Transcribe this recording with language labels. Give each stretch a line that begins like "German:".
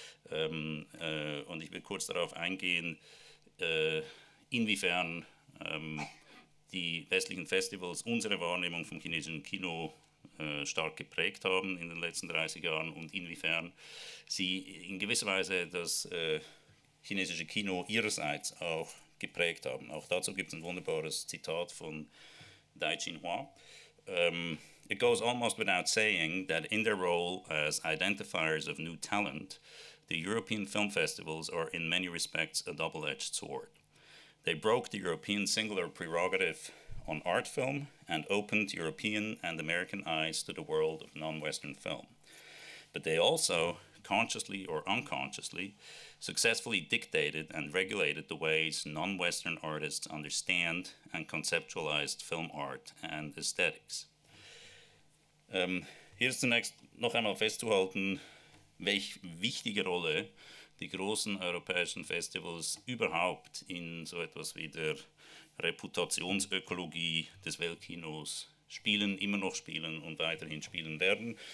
German: Und ich will kurz darauf eingehen, inwiefern die westlichen Festivals unsere Wahrnehmung vom chinesischen Kino stark geprägt haben in den letzten 30 Jahren und inwiefern sie in gewisser Weise das chinesische Kino ihrerseits auch geprägt haben. Auch dazu gibt es ein wunderbares Zitat von Dai Jinhua.
English: It goes almost without saying that in their role as identifiers of new talent, the European film festivals are in many respects a double-edged sword. They broke the European singular prerogative on art film and opened European and American eyes to the world of non-Western film. But they also, consciously or unconsciously, successfully dictated and regulated the ways non-Western artists understand and conceptualized film art and aesthetics.
German: Hier ist zunächst noch einmal festzuhalten, welche wichtige Rolle die großen europäischen Festivals überhaupt in so etwas wie der Reputationsökologie des Weltkinos spielen, immer noch spielen und weiterhin spielen werden.